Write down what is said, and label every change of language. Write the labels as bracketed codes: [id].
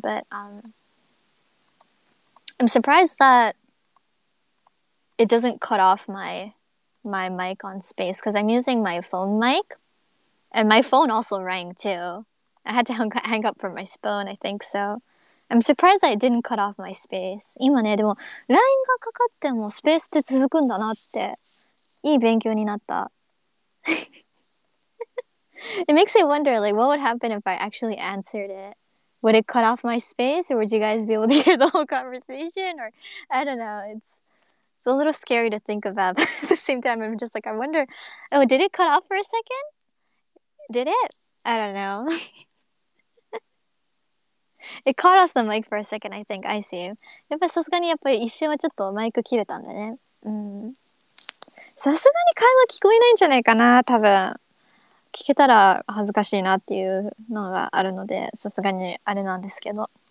[en] But I'm surprised that it doesn't cut off my mic on Space, because I'm using my phone mic, and my phone also rang too. I had to hang up from my phone, I think so. I'm surprised I didn't cut off my Space. [ja] 今ね、でも、LINE がかかってもスペースって続くんだなって、いい勉強になった。 [en] It makes me wonder, like, what would happen if I actually answered it? Would it cut off my Space, or would you guys be able to hear the whole conversation? Or, I don't know, it's a little scary to think about, but at the same time, I'm just like, I wonder, oh, did it cut off for a second? Did it? I don't know. It caught us the mic for a second, I think. I see. [ja] やっぱさすがにやっぱり一瞬はちょっとマイク切れたんだね。うん。さすがに会話聞こえないんじゃないかな、多分。聞けたら恥ずかしいなっていうのがあるので、さすがにあれなんですけど。